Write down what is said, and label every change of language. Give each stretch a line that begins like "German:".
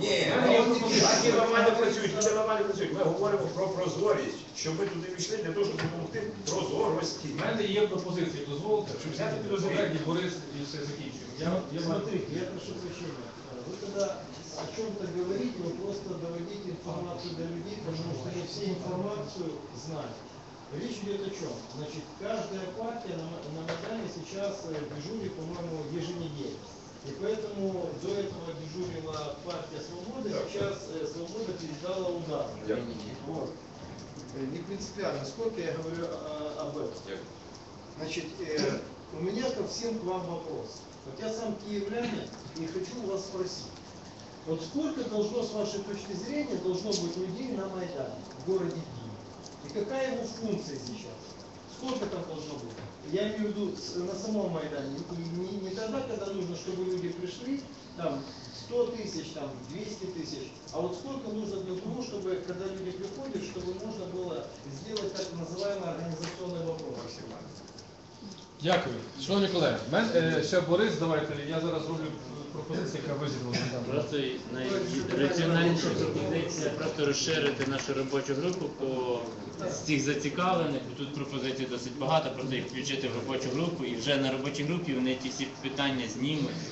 Ukrainian: Ні, партії нормально працюють, люди нормально працюють. Ми говоримо про прозорість, щоб ми туди пішли для того, щоб допомогти прозорості. У мене є пропозиція, дозволте, щоб взяти підозрення, Борис, і все закінчуємо. Я прошу прощення. Ви тоді о чому-то говорите, ви просто доведіть інформацію до людей, тому що я всю інформацію знаю.
Russian: Речь идет о чем? Значит, каждая партия на Майдане сейчас дежурит, по-моему, еженедельно. И поэтому до этого дежурила партия «Свобода», сейчас «Свобода» передала удар. Вот. Не принципиально, сколько я говорю об этом. Значит, у меня ко всем к вам вопрос. Вот я сам киевлянин и хочу вас спросить. Вот сколько должно, с вашей точки зрения, должно быть людей на Майдане в городе Киев? И какая его функция сейчас? Сколько там должно быть? Я имею в виду на самом Майдане. Не тогда, когда нужно, чтобы люди пришли, там 100 тысяч, там 200 тысяч, а вот сколько нужно для того, чтобы, когда люди приходят, чтобы можно было сделать так называемый организационный вопрос максимально.
Ukrainian: Дякую. Шановні колеги, ще Борис, давайте, я зараз роблю пропозицію, яка визвала. Просто найраціональніша пропозиція, просто розширити нашу робочу групу по цих зацікавлених. Тут пропозицій досить багато, просто їх включити в робочу групу, і вже на робочій групі вони ті всі питання знімуть.